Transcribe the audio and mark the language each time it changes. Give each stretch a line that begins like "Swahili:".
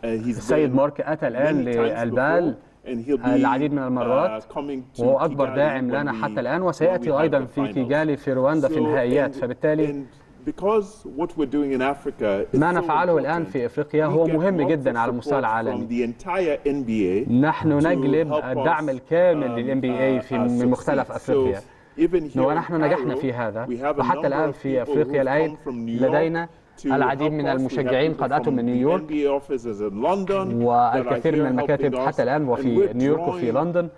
Arabic: سيد مارك أتى الآن للبال العديد من المرات، وهو أكبر داعم لنا حتى الآن، وسيأتي أيضا في كيغالي في رواندا في النهائيات. فبالتالي.
English: Because what we're doing in Africa is so important.
Arabic: ما نفعله الآن في إفريقيا هو مهم جدا على المستوى العالمي.
English: From the entire NBA.
Arabic: نحن نجلب الدعم الكامل للـ NBA في من مختلف أفريقيا. ونحن نجحنا في هذا. وحتى الآن في إفريقيا الآن لدينا العديد من المشجعين قد أتوا من نيويورك والكثير من المكاتب حتى الآن وفي نيويورك وفي لندن.